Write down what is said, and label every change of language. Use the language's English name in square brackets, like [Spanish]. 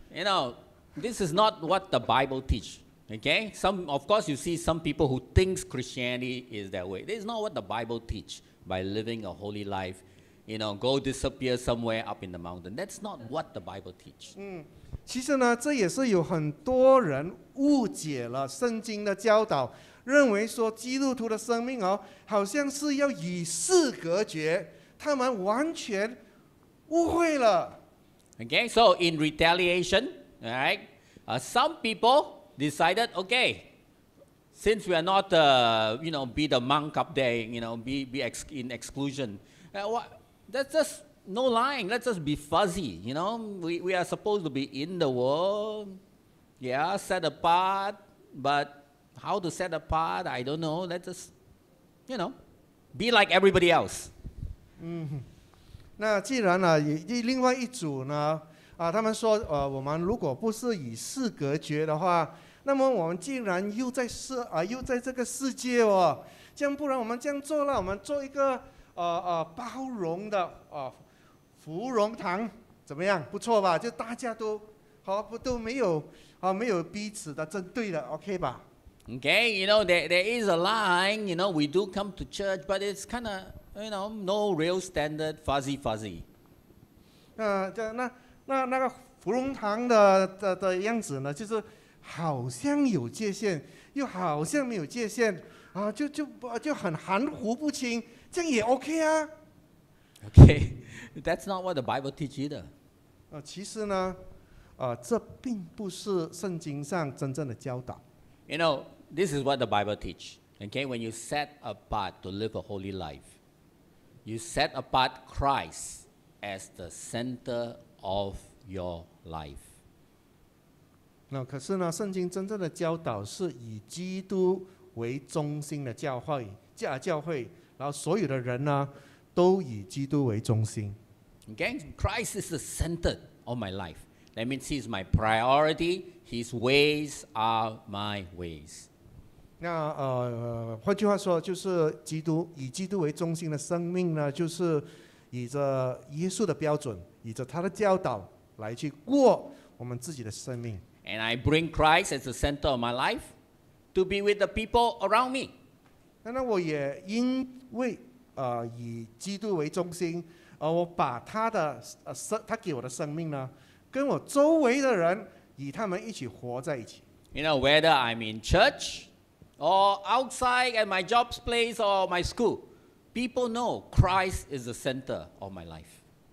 [English] You know, this is not what the Bible teach. Okay, some of course you see some people who think Christianity is that way. This is not what the Bible teach by living a holy life. You know, go disappear somewhere up in the mountain. That's not what the Bible teach. [Chinese] 其实呢，这也是有很多人误解了圣经的教导，认为说基督徒的生命哦，好像是要与世隔绝。他们完全误会了。 [English] Okay, so in retaliation, all right, some people. Decided, okay. Since we are not, you know, be the monk up there, you know, be in exclusion. That's just no lying. Let's just be fuzzy, you know. We are supposed to be in the world, yeah, set apart. But how to set apart? I don't know. Let's just, you know, be like everybody else. [Chinese] 那既然呢，另外一组呢，他们说，我们如果不是与世隔绝的话。那么我们竟然又在这个世界哦，这样不然我们这样做了，我们做一个包容的芙蓉堂怎么样？不错吧？就大家都好不都没有啊，没有彼此的针对的 ，OK 吧 [English] ？Okay, you know there is a line. You know we do come to church, but it's kind of you know no real standard, fuzzy. [Chinese] 那个芙蓉堂的样子呢，就是好像有界限，又好像没有界限啊，就很含糊不清，这样也 OK 啊 [English] ？Okay, that's not what the Bible teaches either. [Chinese] 其实呢。这并不是圣经上真正的教导。 [English] You know, this is what the Bible teaches. Okay, when you set apart to live a holy life, you set apart Christ as the center of your life. [Chinese] 那可是呢，圣经真正的教导是以基督为中心的教会，然后所有的人呢，都以基督为中心。 [English] Okay, Christ is the center of my life. That means he's my priority. His ways are my ways. [Chinese] 那换句话说，就是基督以基督为中心的生命呢，就是以着耶稣的标准，以着他的教导来去过我们自己的生命。 [English] And I bring Christ as the center of my life to be with the people around me. [Chinese] 那我也因为以基督为中心，我把他的他给我的生命呢。跟我周围的人与他们一起活在一起。 [English] You know, whether I'm in church or outside at my job's place or my school, people know Christ is the center of my life.